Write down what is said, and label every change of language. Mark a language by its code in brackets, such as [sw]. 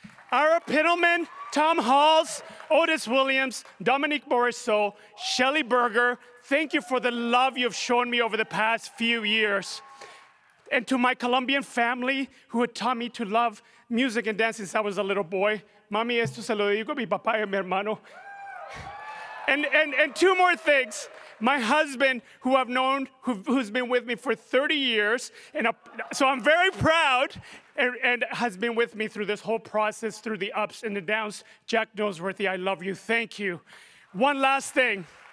[en] Ira Pittleman, Tom Halls, Otis Williams, Dominique Morisseau, Shelley Berger, thank you for the love you've shown me over the past few years. And to my Colombian family, who had taught me to love music and dance since I was a little boy. [es] Mami, esto se lo digo mi papá y mi hermano. [en] And two more things. My husband, who I've known, who's been with me for 30 years, so I'm very proud, and has been with me through this whole process, through the ups and the downs. Jack Nosworthy, I love you. Thank you. One last thing.